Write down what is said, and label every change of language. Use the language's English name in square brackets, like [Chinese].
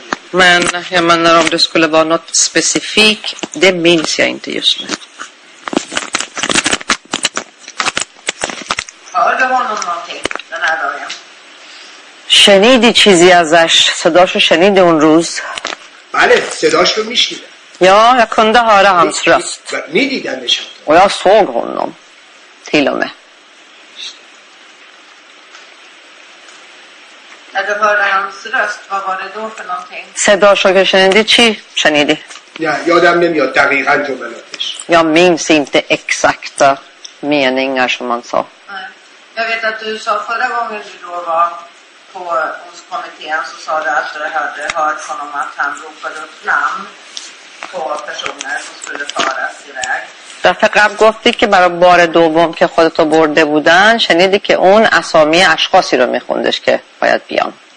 [Swedish] Men jag menar, om det skulle vara något specifikt, det minns jag inte just nu. Hörde honom någonting den här dagen? [Persian] شنیدی چیزی ازش؟ صداشو شنیدی اون روز؟ بله، صداشو میشنیدم. [Swedish] یا jag kunde höra hans röst. [Persian] میدیدمش. [Swedish] و jag såg honom till och med. När du hörde hans röst, vad var det då för någonting? [Persian] صداشو که شنیدی چی؟ شنیدی. یا یادم نمیاد دقیقاً جملاتش. [Swedish] Jag minns inte exakta meningar som han sa. Jag vet att du sa förra gången du då var hos kommittén, så sa du att du hade hört honom att han ropade upp namn på personer som skulle föras iväg. [Persian] دفعه قبل گفتی که برای بار دوم که خودتو برده بودن شنیدی که اون اسامی اشخاصی رو میخوندش که باید بیان.